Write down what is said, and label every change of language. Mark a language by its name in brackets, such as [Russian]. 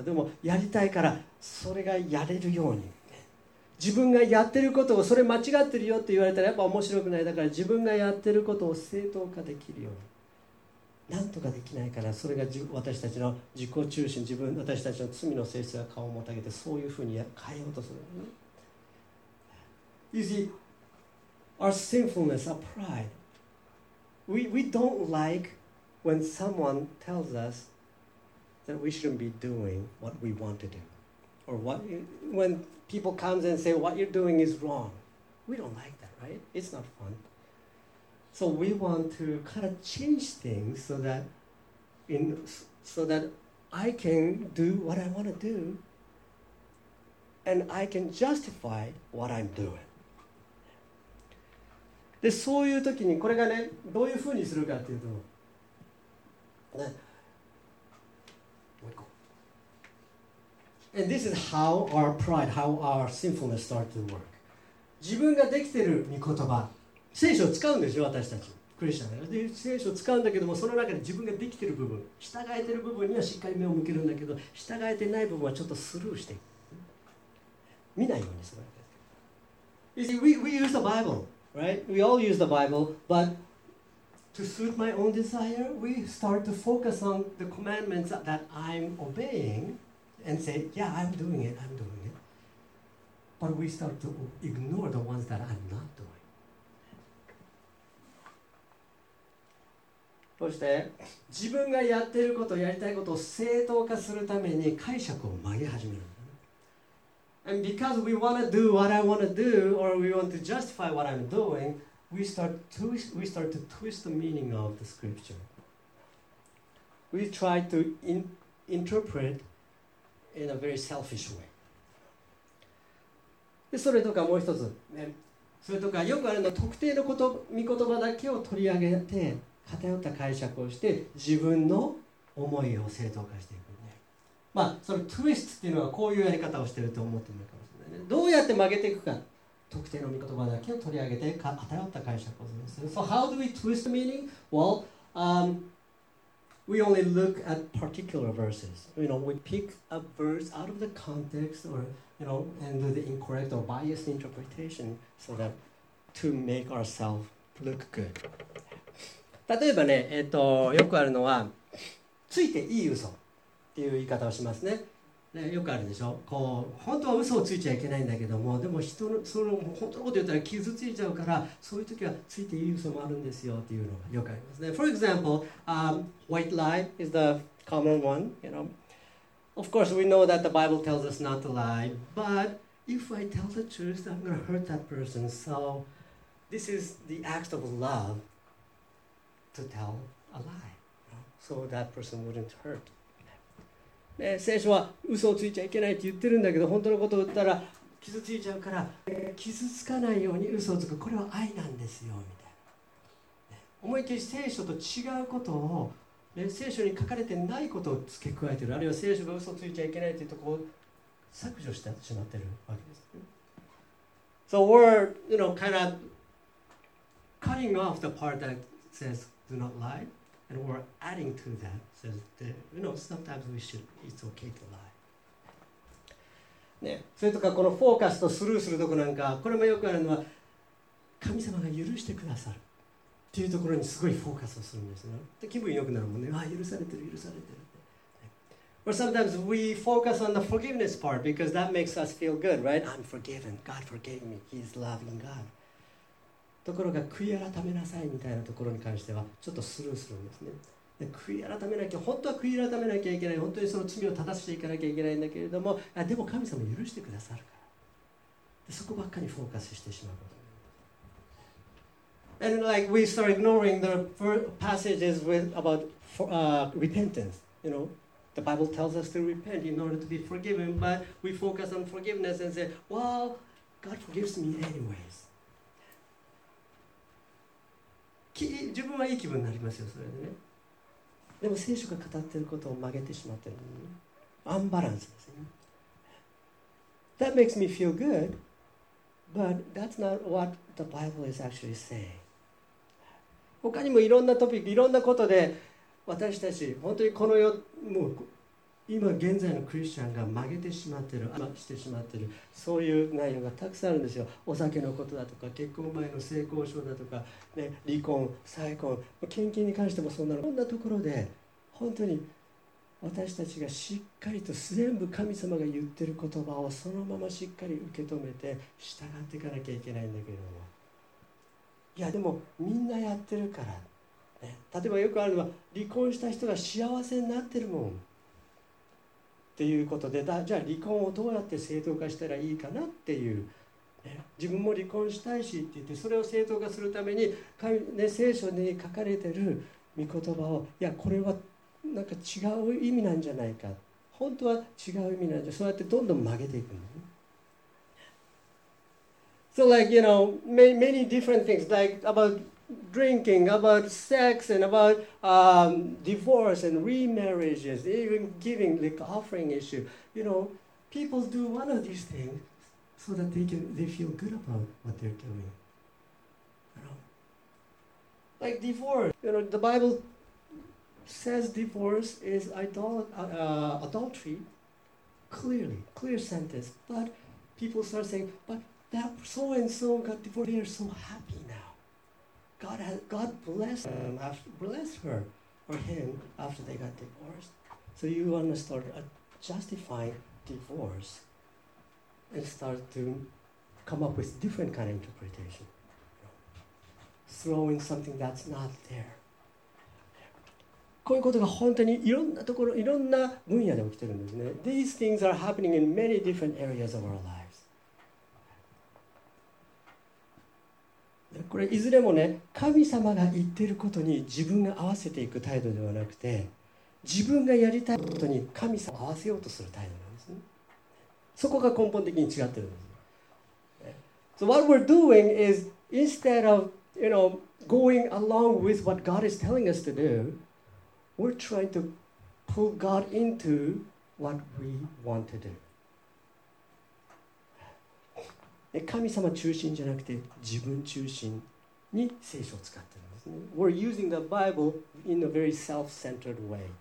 [Japanese] でもやりたいからそれがやれるように、自分がやってることをそれ間違ってるよって言われたらやっぱ面白くない、だから自分がやってることを正当化できるように、なんとかできないから、それが私たちの自己中心、自分私たちの罪の性質が顔をもたげて、そういうふうに変えようとする。 [English] You see, our sinfulness, our pride, we don't likeWhen someone tells us that we shouldn't be doing what we want to do, or what, when people come and say what you're doing is wrong, we don't like that, right? It's not fun. So we want to kind of change things so that I can do what I want to do, and I can justify what I'm doing. [Japanese] で、そういう時にこれがね、どういうふうにするかというと。 [English] And this is how our pride, how our sinfulness start to work. [Japanese] 自分ができている御言葉、聖書を使うんですよ、私たち、クリスチャンで。聖書を使うんだけども、その中で自分ができている部分、従えている部分にはしっかり目を向けるんだけど、従えていない部分はちょっとスルーして、見ないようにするわけです。 [English] You see, we use the Bible, right? We all use the Bible, but... To suit my own desire, we start to focus on the commandments that I'm obeying. Yeah. and say, yeah, I'm doing it, I'm doing it. But we start to ignore the ones that are not doing. [Japanese] そして自分がやってることやりたいことを正当化するために解釈を曲げ始める。 [English] And because we want to do what I want to do, or we want to justify what I'm doing, we start to twist the meaning of the scripture. We try to interpret in a very selfish way. [Japanese] それとかもう一つ、ね、それとかよくあるの特定のこと御言葉だけを取り上げて偏った解釈をして自分の思いを正当化していく。まあ、そのトゥイストっていうのはこういうやり方をしていると思ってもいいかもしれないね。どうやって曲げていくか、特定の御言葉だけを取り上げて偏った解釈をする。 [English] So how do we twist the meaning? Well, we only look at particular verses. You know, we pick a verse out of the context or, you know, and do the incorrect or biased interpretation so that to make ourselves look good. [Japanese] 例えばね、よくあるのはついていい嘘っていう言い方をしますね。ね、よくあるでしょ。こう本当は嘘をついちゃいけないんだけども、でも人のその本当のこと言ったら傷ついちゃうから、そういう時はついていい嘘もあるんですよっていうのがよくありますね。 [English] For example, white lie is the common one. You know, of course we know that the Bible tells us not to lie, but if I tell the truth, I'm going to hurt that person. So this is the act of love to tell a lie, so that person wouldn't hurt. [Japanese] ね、聖書は嘘をついちゃいけないって言ってるんだけど本当のことを言ったら傷ついちゃうから、傷つかないように嘘をつく、これは愛なんですよみたいな、ね、思いっきり聖書と違うことを、ね、聖書に書かれてないことを付け加えてる、あるいは聖書が嘘をついちゃいけないっていうところを削除してしまってるわけです、 [English] ね、So we're, you know, kind of cutting off the part that says do not lie. And we're adding to that, so that, you know, sometimes we should, it's okay to lie. [Japanese] ね、それとかこのフォーカスとスルーするとこなんか、これもよくあるのは、神様が許してくださるっていうところにすごいフォーカスをするんですよ。で、気分良くなるもんね。ああ、許されてる、許されてる。 [English] Or sometimes we focus on the forgiveness part because that makes us feel good, right? I'm forgiven. God forgave me. He's loving God. [Japanese] ところが悔い改めなさいみたいなところに関してはちょっとスルーするんですね。で、悔い改めなきゃ、本当は悔い改めなきゃいけない、本当にその罪を正していかなきゃいけないんだけれども、あ、でも神様許してくださるから、で、そこばっかりフォーカスしてしまうこと。 [English] And like we start ignoring the passages with about for, repentance. You know, the Bible tells us to repent in order to be forgiven, but we focus on forgiveness and say, well, God forgives me anyways. [Japanese] 自分はいい気分になりますよ、それでね。でも聖書が語っていることを曲げてしまってるのね。アンバランスですよね。 [English] That makes me feel good, but that's not what the Bible is actually saying. [Japanese] 他にもいろんなトピック、いろんなことで私たち、本当にこの世、もう今現在のクリスチャンが曲げてしまってる、してしまってる、そういう内容がたくさんあるんですよ。お酒のことだとか、結婚前の性交渉だとか、ね、離婚、再婚、献金に関してもそんなの。こんなところで、本当に私たちがしっかりと全部神様が言ってる言葉をそのまましっかり受け止めて、従っていかなきゃいけないんだけども。いや、でもみんなやってるから、ね。例えばよくあるのは、離婚した人が幸せになってるもん。っていうことで、じゃあ離婚をどうやって正当化したらいいかなっていう、自分も離婚したいしって言って、それを正当化するために神、ね、聖書に書かれてる御言葉を、いや、これはなんか違う意味なんじゃないか、本当は違う意味なんじゃ、そうやってどんどん曲げていくの。 [English] So like, you know, many different things, like aboutDrinking, about sex, and about divorce and remarriages, even giving, like offering issue. You know, people do one of these things so that they feel good about what they're doing. You know, like divorce. You know, the Bible says divorce is adultery. Clearly, clear sentence. But people start saying, but that so-and-so got divorced. They are so happy now. God blessed them, blessed her or him after they got divorced. So you want to start justify divorce and start to come up with different kind of interpretation. Throw in something that's not there. [Japanese] こういうことが本当にいろんなところ、いろんな分野で起きてるんですね。 [English] These things are happening in many different areas of our lives. [Japanese] これいずれもね、神様が言っていることに自分が合わせていく態度ではなくて、自分がやりたいことに神様を合わせようとする態度なんですね。そこが根本的に違ってるんです。 [English] So what we're doing is instead of, you know, going along with what God is telling us to do, we're trying to pull God into what we want to do. [Japanese] 神様中心じゃなくて自分中心に聖書を使ってるんですね。 [English] We're using the Bible in a very self-centered way.